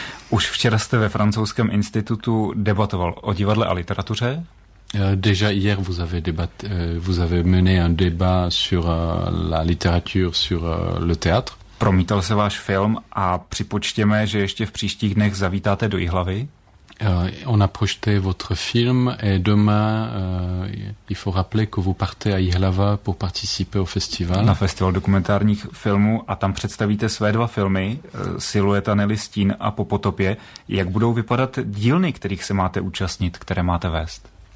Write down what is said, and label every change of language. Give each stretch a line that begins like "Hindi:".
Czech: Už včera jste ve francouzském institutu debatoval o divadle a literatuře.
French: Déjà hier vous avez mené un débat sur la littérature, sur le théâtre.
Czech: Promítal se váš film a připočtěme, že ještě v příštích dnech zavítáte do Jihlavy.
French: On a projeté votre film et demain il faut rappeler que vous partez à Jihlava pour participer au festival.
Czech: Na festival dokumentárních filmů a tam představíte své 2 filmy, Silueta Nelly Stín a Po potopě. Jak budou vypadat dílny, kterých se máte účastnit, které máte vést?